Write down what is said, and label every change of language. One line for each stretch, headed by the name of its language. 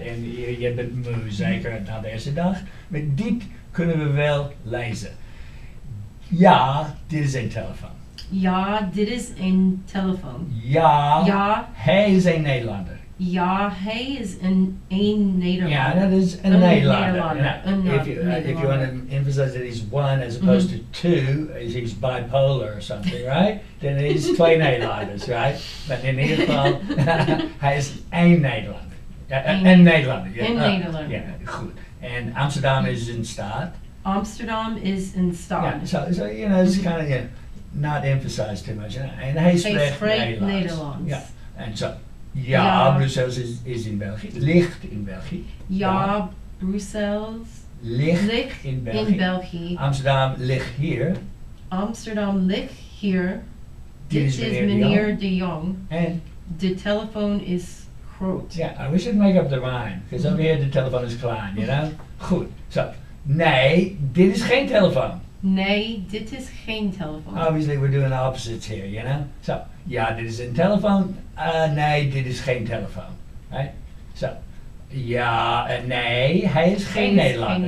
Dutch: En je bent moe, zeker, na de eerste dag. Maar dit kunnen we wel lezen. Ja, dit is een telefoon. Ja, dit is een telefoon. Ja, ja. Hij is een Nederlander. Ja, hij is een Nederlander.
English: Yeah, that is a Nederlander. If you want to emphasize that he's one as opposed to two, he's bipolar or something, right? Then he's
Dutch: twee Nederlanders,
English: right? But
Dutch: in ieder geval, hij is een Nederlander. Goed.
English: And
Dutch: Amsterdam is in staat.
English: So it's kind of not emphasized too much. And
Dutch: hij spreekt Nederlands.
English: Yeah. And so.
Dutch: Ja, Brussels is in België. Ligt in België. Ja, Brussels ligt in België. Amsterdam ligt hier. Amsterdam ligt hier. Dit is meneer De Jong. De telefoon is quote.
English: Yeah, I wish I'd make up the rhyme, because over here the telephone is klein, you know?
Dutch: Goed, so, nee, dit is geen telefoon. Nee, dit is geen telefoon.
English: Obviously, we're doing opposites here, you know?
Dutch: So, ja, dit is een telefoon. Nee, dit is geen telefoon.
English: Right? So,
Dutch: ja, nee, hij is geen Nederlander.